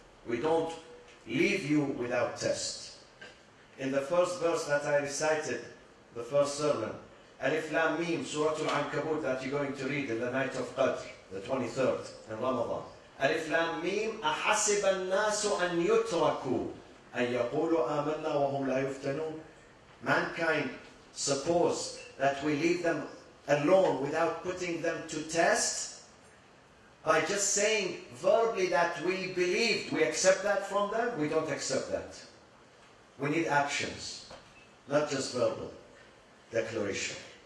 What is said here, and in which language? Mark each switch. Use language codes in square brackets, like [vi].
[en] We don't leave you without test. In the first verse that I recited, the first sermon, Alif Lam Mim, Surah Al-Ankabut, that you're going to read in the night of Qadr, the 23rd, in Ramadan. [ar] Alif Lam Mim, أَحَسِبَ النَّاسُ أَن يُتْرَكُوا أَن يَقُولُوا آمَنَّا وَهُمْ لَا يُفْتَنُونَ. [en] Mankind suppose that we leave them alone without putting them to test by just saying verbally that we believe. We accept that from them? We don't accept that. We need actions, not just verbal declaration.